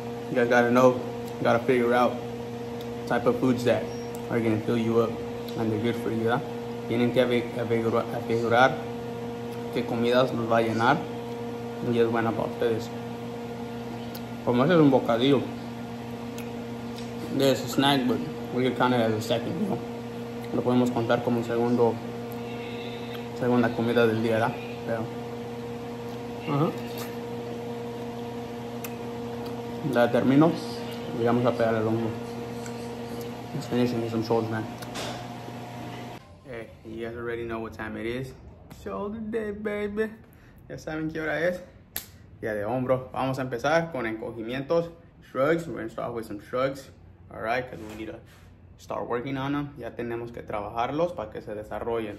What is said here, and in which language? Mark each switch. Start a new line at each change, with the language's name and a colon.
English: You guys gotta know, gotta figure out the type of foods that are gonna fill you up and they're good for you, ¿verdad?
Spanish: Tienen que averiguar qué comidas los va a llenar y es buena para ustedes. Como ese es un bocadillo,
English: there's a snack, but we can count it as a second, you know?
Spanish: Lo podemos contar como segunda comida del día, ¿verdad? Pero, la termino y vamos a pegar el hongo.
English: Let's finish and get some shoulders, man. Hey, you guys already know what time it is. Shoulder day, baby.
Spanish: Ya saben qué hora es. Día de hombro. Vamos a empezar con encogimientos.
English: Shrugs. We're going to start with some shrugs. All right, because we need to start working on them.
Spanish: Ya tenemos que trabajarlos para que se desarrollen.